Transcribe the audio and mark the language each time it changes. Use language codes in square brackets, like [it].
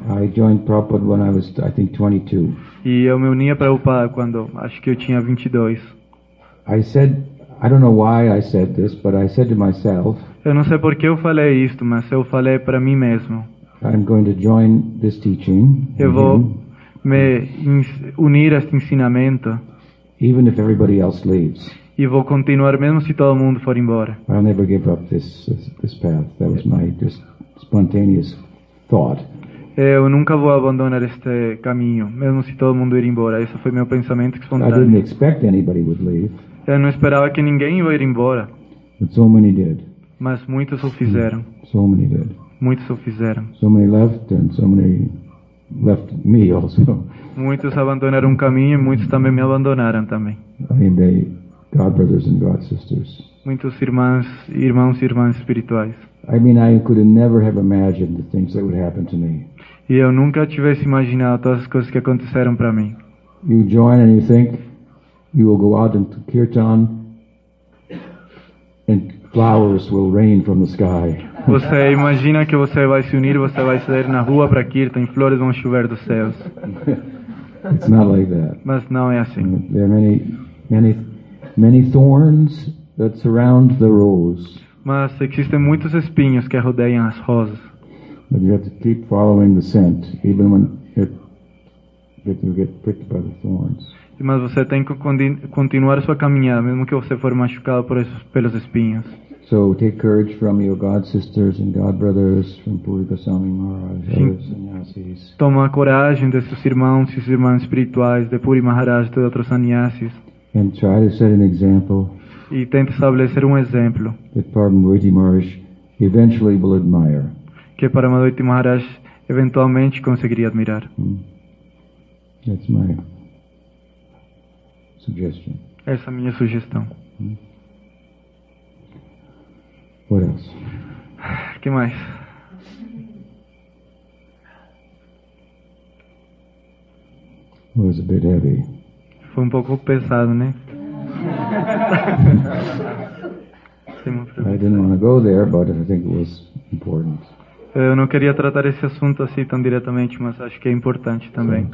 [en] I joined Prabhupada when I was, I think, 22. [pt] E eu me uni a Prabhupada quando acho que eu tinha 22. [en] I said, I don't know why I said this, but I said to myself. [pt] Eu não sei por que eu falei isto, mas eu falei para mim mesmo. [en] I'm going to join this teaching. [pt] Eu vou me unir a este ensinamento. [en] Even if everybody else leaves. [pt] E vou continuar mesmo se todo mundo for embora. [en] I'll never give up this path. That was my just spontaneous thought. [pt] Eu nunca vou abandonar este caminho, mesmo se todo mundo ir embora. Esse foi meu pensamento espontâneo. [en] I didn't expect anybody would leave. [pt] Eu não esperava que ninguém ia ir embora. [en] But so many did. [pt] Mas muitos o fizeram. [en] So many did. [pt] Muitos o fizeram. [en] So many left, and so many left me also. [pt] Muitos abandonaram um caminho e muitos também me abandonaram também. [en] I mean, they, God brothers and God sisters. [pt] Muitos irmãos e irmãs espirituais. [en] I mean, I could never have imagined the things that would happen to me. [pt] E eu nunca tivesse imaginado todas as coisas que aconteceram para mim. [en] You join and you think you will go out into kirtan and flowers will rain from the sky. [pt] Você imagina que você vai se unir, você vai sair na rua para kirtan e flores vão chover dos céus. [en] It's not like that. [pt] Mas não é assim. [en] There are many thorns that surround the rose. [pt] Mas existem muitos espinhos que rodeiam as rosas. [en] But you have to keep following the scent, even when you get pricked by the thorns. [pt] Mas você tem que continuar sua caminhada, mesmo que você for machucado por esses pelos espinhos. [en] So take courage from your God sisters and God brothers, from Puri Goswami Maharaj, others, sannyasis. [pt] Toma coragem desses irmãos e irmãs espirituais de Puri Maharaj e de outros sannyasis. [en] And try to set an example. [pt] E tente estabelecer exemplo. [en] That Paramahansa Maharaj eventually will admire. [pt] Que Paramahansa Maharaj eventualmente conseguiria admirar. [en] Hmm. That's my suggestion. [pt] Essa é a minha sugestão. [en] What else? [pt] Que mais? [en] It was a bit heavy. [pt] Foi pouco pesado, né? [en] I didn't want to go there, but I think it was important. [pt] Eu não queria tratar esse assunto assim tão diretamente, mas acho que é importante também.